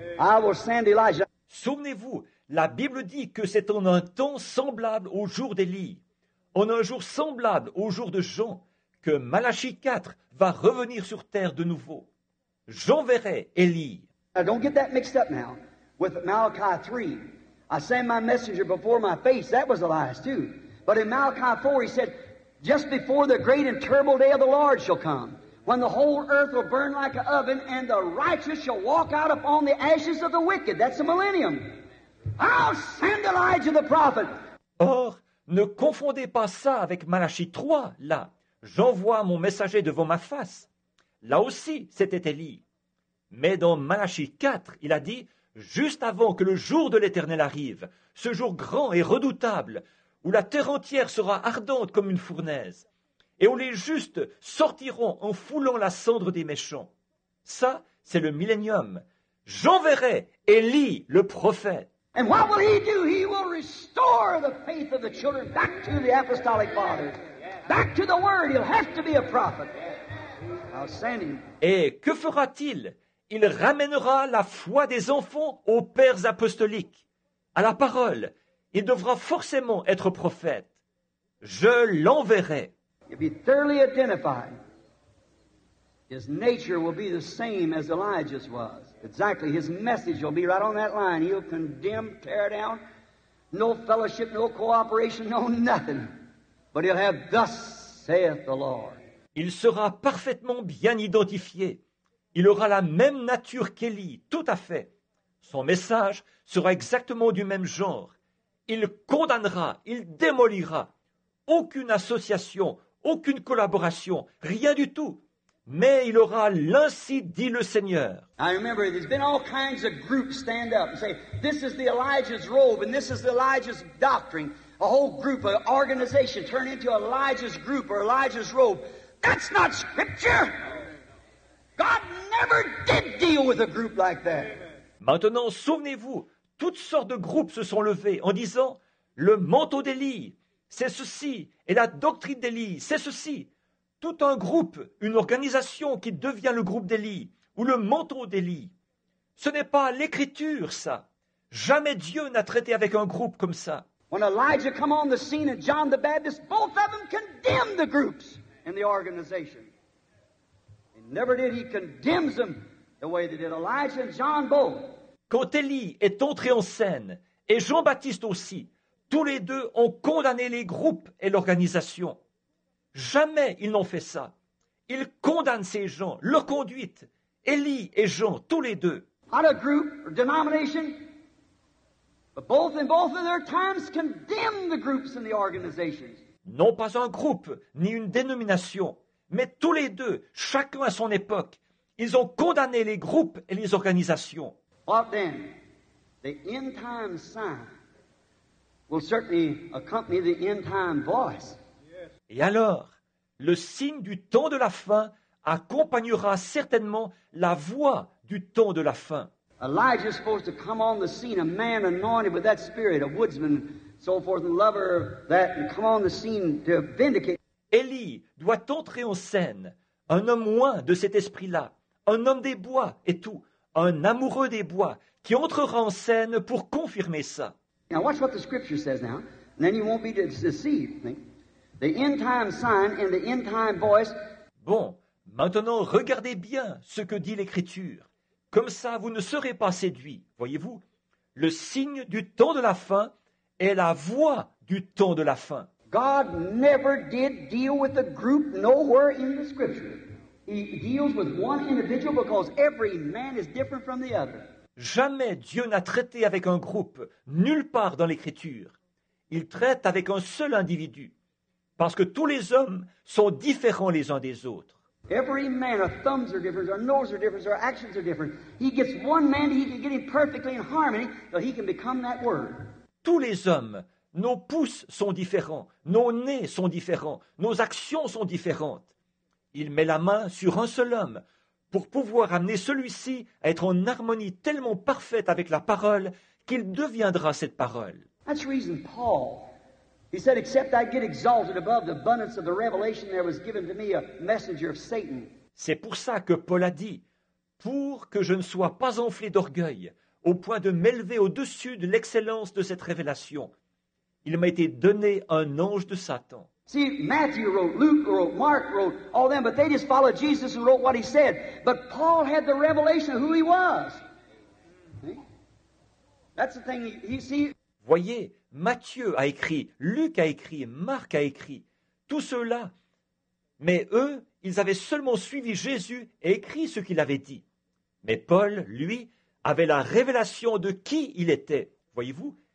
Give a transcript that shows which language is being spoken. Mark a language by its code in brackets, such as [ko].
[en] I will send Elijah. [fr] Souvenez-vous, la Bible dit que c'est en un temps semblable au jour d'Élie, en un jour semblable au jour de Jean, que Malachie 4 va revenir sur terre de nouveau. J'enverrai Élie. [en] Now don't get that mixed up now with Malachi 3. I send my messenger before my face. That was Elias too. But in Malachi 4 he said, just before the great and terrible day of the Lord shall come, when the whole earth will burn like an oven and the righteous shall walk out upon the ashes of the wicked. That's the millennium. I'll send Elijah the prophet. [fr] Or, ne confondez pas ça avec Malachie 3, là. J'envoie mon messager devant ma face. Là aussi, c'était Élie. Mais dans Malachie 4, il a dit, juste avant que le jour de l'Éternel arrive, ce jour grand et redoutable, où la terre entière sera ardente comme une fournaise, et où les justes sortiront en foulant la cendre des méchants. Ça, c'est le millénium. J'enverrai Élie, le prophète. [en] And what will he do? He will restore the faith of the children back to the apostolic fathers. Back to the word. He'll have to be a prophet. I'll send him. [fr] Et que fera-t-il? Il ramènera la foi des enfants aux pères apostoliques. À la parole, il devra forcément être prophète. Je l'enverrai. [en] If he's thoroughly identified, his nature will be the same as Elijah's was. Exactly. His message will be right on that line. He'll condemn, tear down, no fellowship, no cooperation, no nothing. But he'll have, thus saith the Lord. [fr] Il sera parfaitement bien identifié. Il aura la même nature qu'Élie, tout à fait. Son message sera exactement du même genre. Il condamnera, il démolira. Aucune association, aucune collaboration, rien du tout. Mais il aura l'ainsi dit le Seigneur. [en] I remember there's been all kinds of groups stand up and say, this is the Elijah's robe and this is the Elijah's doctrine. A whole group, an organization turn into Elijah's group or Elijah's robe. That's not scripture. God never did deal with a group like that. Amen. [fr] Maintenant, souvenez-vous, toutes sortes de groupes se sont levés en disant « Le manteau d'Élie, c'est ceci, et la doctrine d'Élie, c'est ceci. » Tout un groupe, une organisation qui devient le groupe d'Élie, ou le manteau d'Élie. Ce n'est pas l'Écriture, ça. Jamais Dieu n'a traité avec un groupe comme ça. [en] When Elijah came on the scene and John the Baptist, both of them condemned the groups and the organization. And never did he condemn them the way they did Elijah and John both. [fr] Quand Élie est entré en scène, et Jean-Baptiste aussi, tous les deux ont condamné les groupes et l'organisation. Jamais ils n'ont fait ça. Ils condamnent ces gens, leur conduite, Élie et Jean, tous les deux. [en] Not a group or denomination. But both of their times condemned the groups and the organizations. [fr] Non pas un groupe ni une dénomination, mais tous les deux, chacun à son époque, ils ont condamné les groupes et les organisations. [en] What then? The end time sign will certainly accompany the end time voice. [fr] Et alors, le signe du temps de la fin accompagnera certainement la voix du temps de la fin. [en] Elijah is supposed to come on the scene, a man anointed with that spirit, a woodsman, so forth, and lover of that, and come on the scene to vindicate. [fr] Élie doit entrer en scène, un homme loin de cet esprit-là, un homme des bois et tout, un amoureux des bois, qui entrera en scène pour confirmer ça. [en] Now watch what the scripture says now, and then you won't be deceived. The end time sign and the end time voice. [fr] Bon, maintenant regardez bien ce que dit l'Écriture. Comme ça, vous ne serez pas séduits, voyez-vous. Le signe du temps de la fin est la voix du temps de la fin. [en] God never did deal with a group nowhere in the Scripture. He deals with one individual because every man is different from the other. [fr] Jamais Dieu n'a traité avec un groupe, nulle part dans l'Écriture. Il traite avec un seul individu, parce que tous les hommes sont différents les uns des autres. [en] Every man, our thumbs are different, our nose are different, our actions are different. He gets one man, he can get him perfectly in harmony, so he can become that word. [fr] Tous les hommes, nos pouces sont différents, nos nez sont différents, nos actions sont différentes. Il met la main sur un seul homme pour pouvoir amener celui-ci à être en harmonie tellement parfaite avec la parole qu'il deviendra cette parole. [en] That's reason Paul. He said, except I get exalted above the abundance of the revelation there was given to me a messenger of Satan. [fr] C'est pour ça que Paul a dit, pour que je ne sois pas enflé d'orgueil, au point de m'élever au-dessus de l'excellence de cette révélation, il m'a été donné un ange de Satan. [en] See, Matthew wrote, Luke wrote, Mark wrote, all them, but they just followed Jesus and wrote what he said. But Paul had the revelation of who he was. That's the thing, you see. [fr] Voyez, Matthieu a écrit, Luc a écrit, Marc a écrit, tous ceux-là. Mais eux, ils avaient seulement suivi Jésus et écrit ce qu'il avait dit. Mais Paul, lui, avait la révélation de qui il était, voyez-vous.